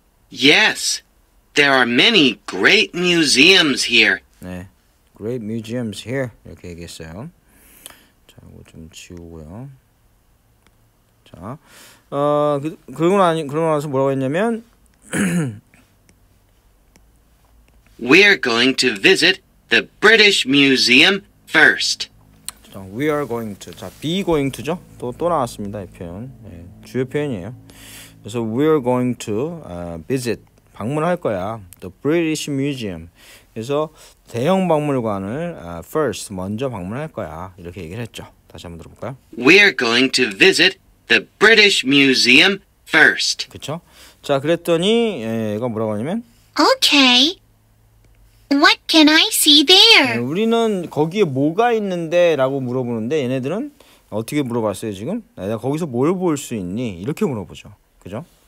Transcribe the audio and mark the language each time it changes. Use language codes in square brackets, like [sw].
[en] Yes, there are many great museums here. [ko] 네, [en] great museums here [ko] 이렇게 얘기했어요. 자, 이거 좀 지우고요. 자, 그러고 나서 뭐라고 했냐면 [en] We're going to visit the British Museum first. We are going to. 자, be going to죠. [ko] 또 나왔습니다. 이 표현. 예, 주요 표현이에요. 그래서 [en] we are going to visit. [ko] 방문할 거야. [en] The British Museum. [ko] 그래서 대형 박물관을 first, 먼저 방문할 거야. 이렇게 얘기를 했죠. 다시 한번 들어볼까요? [en] We are going to visit the British Museum first. [ko] 그렇죠? 자, 그랬더니 얘가 뭐라고 하냐면 [en] Okay. What can I see there? [ko] 네, 우리는 거기에 뭐가 있는데 라고 물어보는데 얘네들은 어떻게 물어봤어요 지금? 내가 거기서 뭘 볼 수 있니? 이렇게 물어보죠. 그죠?